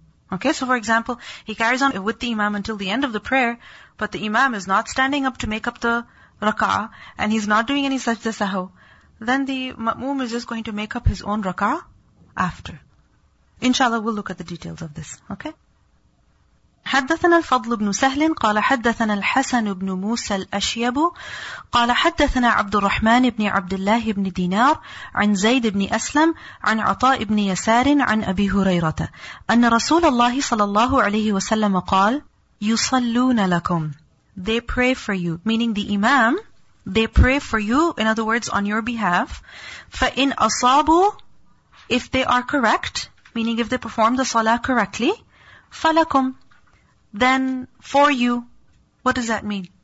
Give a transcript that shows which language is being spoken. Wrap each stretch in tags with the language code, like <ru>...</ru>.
<en>Okay, so for example, he carries on with the imam until the end of the prayer, but the imam is not standing up to make up the rak'ah, and he's not doing any sajda sahu, then the ma'moom is just going to make up his own rak'ah after. Inshallah, we'll look at the details of this, okay?</en> <ar>حدثنا الفضل بن سهل قال حدثنا الحسن بن موسى الأشيب قال حدثنا عبد الرحمن بن عبد الله بن دينار عن زيد بن أسلم عن عطاء بن يسار عن أبي هريرة أن رسول الله صلى الله عليه وسلم قال يصلون لكم.</ar> <en>They pray for you, meaning the imam, they pray for you, in other words, on your behalf.</en> <ar>فإن أصابوا,</ar> <en>if they are correct, meaning if they perform the salah correctly,</en> <ar>فلكم,</ar> <en>then for you. What does that mean?</en>